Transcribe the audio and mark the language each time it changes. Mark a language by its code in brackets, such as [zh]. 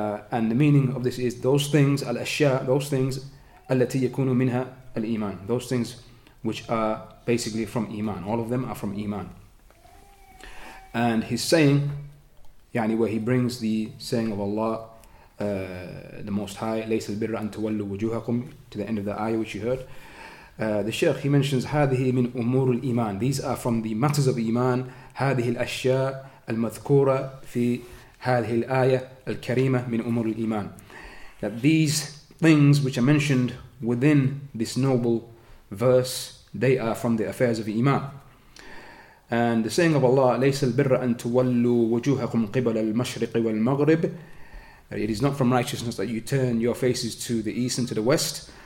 [en] and the meaning of this is those things الأشياء those things [ar] التي يكون منها الإيمان [en] those things which are basically from إيمان all of them are from إيمان and he's saying يعني where he brings the saying of Allah the Most High [ar] ليس البر أن تولوا وجوهكم [en] to the end of the ayah which you heard The Shaykh, he mentions [ar] هذه من أمور الإيمان. [en] These are from the matters of Iman. [ar] هذه الأشياء المذكورة في هذه الآية الكريمة من أمور الإيمان. [en] That these things which are mentioned within this noble verse, they are from the affairs of Iman. And the saying of Allah, [ar] ليس البر أن تولوا وجوهكم قبل المشرق والمغرب. [en] It is not from righteousness that you turn your faces to the east and to the west.